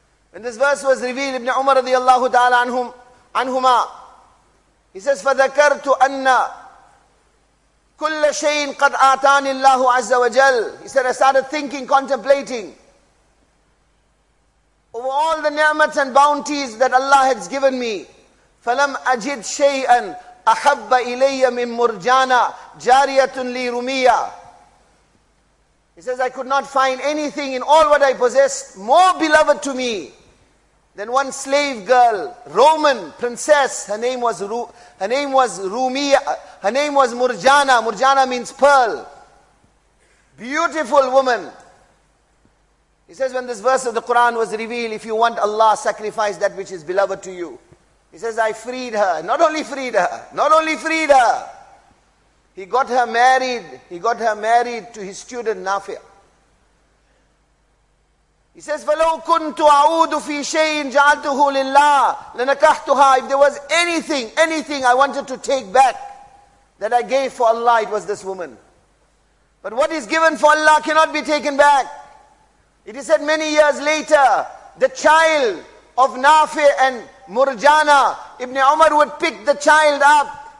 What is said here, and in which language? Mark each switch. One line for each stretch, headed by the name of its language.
English: When this verse was revealed, Ibn Umar radiallahu ta'ala anhuma, he says,
Arabic: فَذَكَرْتُ أَنَّ كل شيء قد آتاني الله عز وجل.
English: He said, I started thinking, contemplating over all the ni'mats and bounties that Allah has given me.
Arabic: فلم أجد شيئا أحب إلي من مرجانا جارية لي رمية.
English: He says, I could not find anything in all what I possessed more beloved to me than one slave girl, Roman princess. Her name was Murjana. Murjana means pearl. Beautiful woman. He says, when this verse of the Quran was revealed, if you want Allah, sacrifice that which is beloved to you. He says, I freed her. Not only freed her. He got her married to his student Nafi'. He says,
Arabic: فَلَوْ كُنْتُ أَعُودُ فِي شَيْءٍ جَعَلْتُهُ لِلَّهِ لَنَكَحْتُهَا.
English: If there was anything I wanted to take back that I gave for Allah, it was this woman. But what is given for Allah cannot be taken back. It is said many years later, the child of Nafi' and Murjana, Ibn Umar would pick the child up.